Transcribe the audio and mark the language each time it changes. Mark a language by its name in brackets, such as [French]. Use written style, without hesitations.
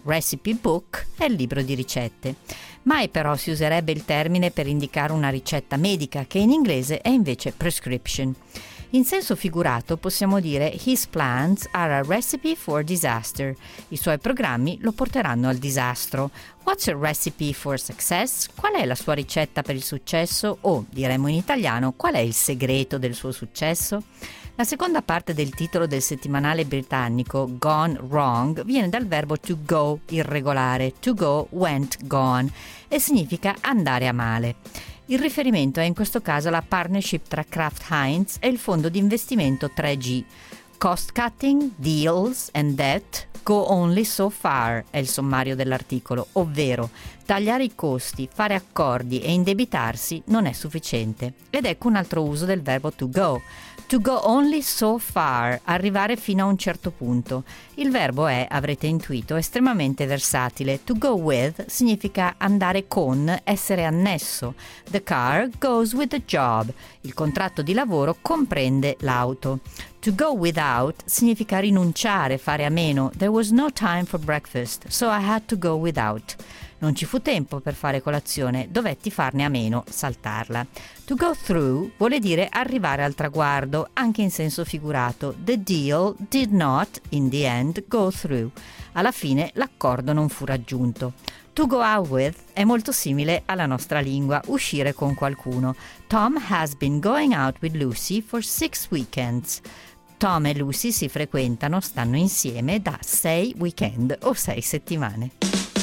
[Italian] Recipe book è il libro di ricette. Mai però si userebbe il termine per indicare una ricetta medica, che in inglese è invece prescription. In senso figurato possiamo dire [English] his plans are a recipe for disaster. [Italian] I suoi programmi lo porteranno al disastro. [English] What's a recipe for success? [Italian] Qual è la sua ricetta per il successo? O, diremmo in italiano, qual è il segreto del suo successo? La seconda parte del titolo del settimanale britannico, Gone Wrong, viene dal verbo to go, irregolare, [English] to go, went, gone, [Italian] e significa andare a male. Il riferimento è in questo caso la partnership tra Kraft Heinz e il fondo di investimento 3G. [English] Cost cutting, deals and debt go only so far, [Italian] è il sommario dell'articolo, ovvero tagliare i costi, fare accordi e indebitarsi non è sufficiente. Ed ecco un altro uso del verbo to go. [English] To go only so far, [Italian] arrivare fino a un certo punto. Il verbo è, avrete intuito, estremamente versatile. [English] To go with [Italian] significa andare con, essere annesso. [English] The car goes with the job. [Italian] Il contratto di lavoro comprende l'auto. [English] To go without [Italian] significa rinunciare, fare a meno. [English] There was no time for breakfast, so I had to go without. [Italian] Non ci fu tempo per fare colazione, dovetti farne a meno, saltarla. [English] To go through [Italian] vuole dire arrivare al traguardo, anche in senso figurato. [English] The deal did not, in the end, go through. [Italian] Alla fine l'accordo non fu raggiunto. [English] To go out with [Italian] è molto simile alla nostra lingua, uscire con qualcuno. [English] Tom has been going out with Lucy for 6 weekends. [Italian] Tom e Lucy si frequentano, stanno insieme da 6 weekend o 6 settimane.